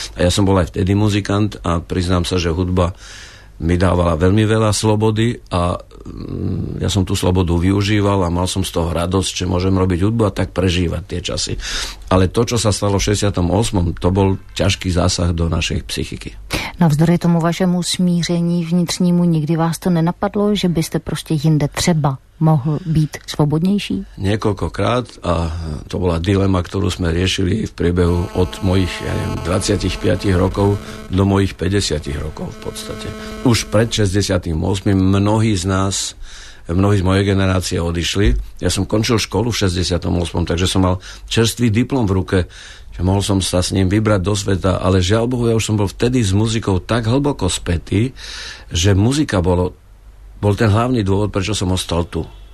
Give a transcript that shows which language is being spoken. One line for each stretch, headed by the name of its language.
Slovak: A ja som bol aj vtedy muzikant a priznám sa, že hudba mi dávala veľmi veľa slobody a ja som tú slobodu využíval a mal som z toho radosť, že môžem robiť hudbu a tak prežívať tie časy. Ale to, čo sa stalo v 68., to bol ťažký zásah do našej psychiky.
Czech: Navzdory tomu vašemu smíření vnitřnímu, nikdy vás to nenapadlo, že byste prostě jinde třeba mohl být svobodnější?
Slovak: Niekoľkokrát a to bola dilema, ktorú sme riešili v priebehu od mojich, ja neviem, 25 rokov do mojich 50 rokov v podstate. Už pred 68. mnohí z nás, mnohí z mojej generácie odišli. Ja som končil školu v 68., takže som mal čerstvý diplom v ruke, že mohol som sa s ním vybrať do sveta, ale žiaľ Bohu, ja už som bol vtedy s muzikou tak hlboko spätý, že muzika bol ten hlavný dôvod, prečo som ostal tu.